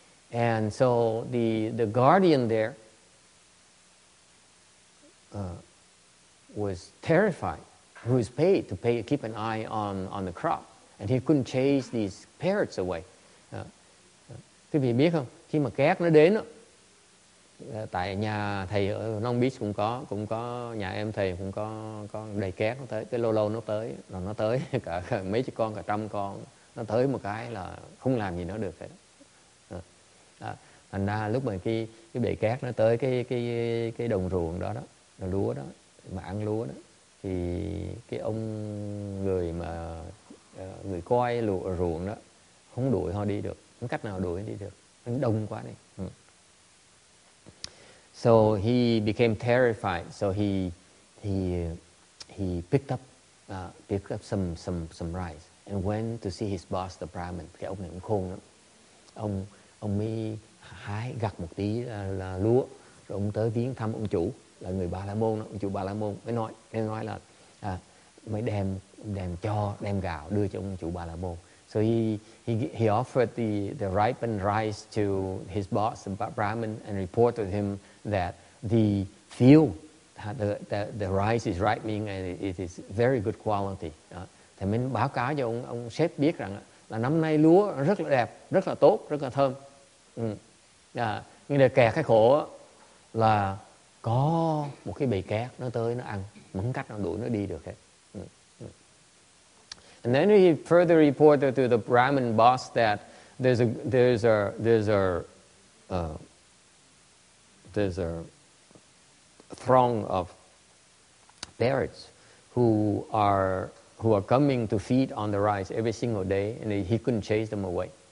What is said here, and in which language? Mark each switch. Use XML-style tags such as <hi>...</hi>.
<en>And so the guardian there was terrified, who was paid to pay keep an eye on the crop, and he couldn't chase these parrots away.</en> <vi>Quý vị biết không, khi mà két nó đến tại nhà thầy ở Long Beach cũng có nhà em thầy cũng có đầy két, nó tới cái lâu nó tới cả mấy chục con, cả trăm con, nó tới một cái là không làm gì nó được hết. Thành ra lúc mà cái bầy két nó tới cái đồng ruộng đó lúa đó mà ăn lúa đó, thì cái ông người mà người coi ruộng đó không đuổi họ đi được, không cách nào đuổi đi được, đông quá đi.</vi> <en>So he became terrified, so he picked up some rice and went to see his boss the Brahmin.</en> <vi>Cái ông này cũng khôn lắm, ông mới hái gặt một tí là lúa, rồi ông tới viếng thăm ông chủ là người Bà La Môn đó. Ông chủ Bà La Môn mới nói là mới đem cho, đem gạo đưa cho ông chủ Bà La Môn.</vi> <en>So he offered the ripened rice to his boss the Brahmin and reported him that the field the rice is ripening and it is very good quality.</en> <vi>Thì mình báo cáo cho ông sếp biết rằng là năm nay lúa rất là đẹp, rất là tốt, rất là thơm. Nhưng để kẹt cái khổ là có một cái bầy két nó tới nó ăn, mẫn cách nó đuổi nó đi được hết.</vi> <en>And then he further reported to the Brahmin boss that there's a throng of parrots who are coming to feed on the rice every single day, and he couldn't chase them away.</en>